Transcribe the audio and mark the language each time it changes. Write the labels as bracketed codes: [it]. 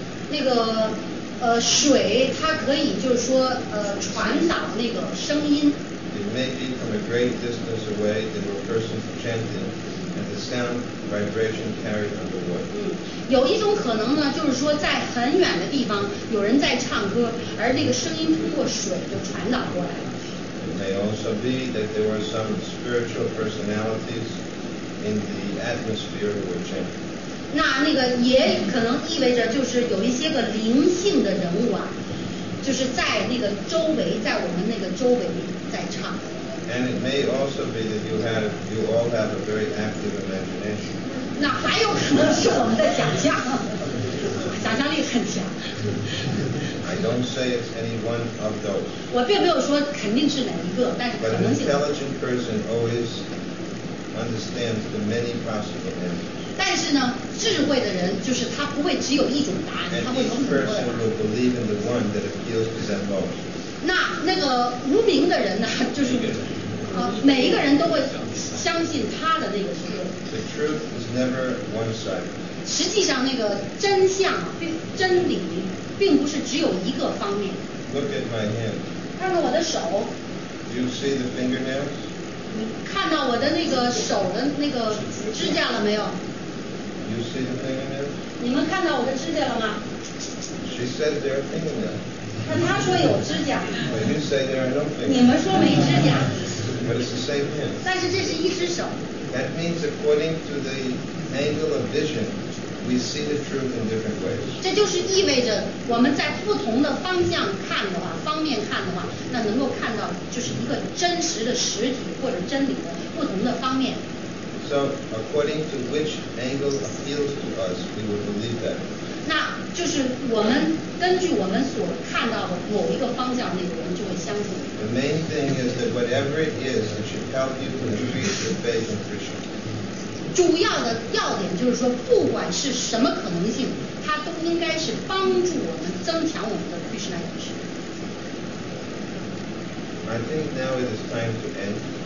[zh] 那个水它可以就是说传导那个声音。 [en] It may be from a great distance away that a person is chanting, and the sound vibration carries underwater. [zh] 有一种可能呢，就是说在很远的地方有人在唱歌，而那个声音通过水就传导过来了。 [en] It may also be that there were some spiritual personalities in the atmosphere who were chanting. [zh] 那个也可能意味着就是有一些个灵性的人物啊，就是在那个周围，在我们那个周围在唱。 [en] And it may also be that you all have a very active imagination. [zh] 那还有可能是我们的想象，想象力很强。 [en] I don't say it's any one of those. [zh] 我并没有说肯定是哪一个，但是可能性。 [en] But an intelligent person always understands the many possible answers. [zh] 但是呢，智慧的人就是他不会只有一种答案，他会有很多。 [en] And each person will believe in the one that appeals to them most. [zh] 那个无名的人呢，就是每一个人都会相信他的那个说。 [en] The truth is never one-sided. [zh] 实际上，那个真相、真理，并不是只有一个方面。 [en] Look at my hand. [zh] 看看我的手。 [en] Do you see the fingernails? [zh] 你看到我的那个手的那个指甲了没有？ [en] You see the fingernails? [zh] 你们看到我的指甲了吗？ [en] She said there are fingernails. [zh] 但她说有指甲。 [en] But you say there are no fingernails. [zh] 你们说没指甲。 [en] But it's the same hand. [zh] 但是这是一只手。 [en] That means according to the angle of vision, we see the truth in different ways. [zh] 这就是意味着我们在不同的方向看的话，方面看的话，那能够看到就是一个真实的实体或者真理的不同的方面。 [en] So according to which angle appeals to us, we will believe that. [zh] 那就是我们根据我们所看到的某一个方向，那个人就会相信。 [en] The main thing is that whatever it is, it should help you to increase your faith in Krishna. [zh] 主要的要点就是说，不管是什么可能性，它都应该是帮助我们增强我们的 Krishna 意识。 [en] I think now it is time to end.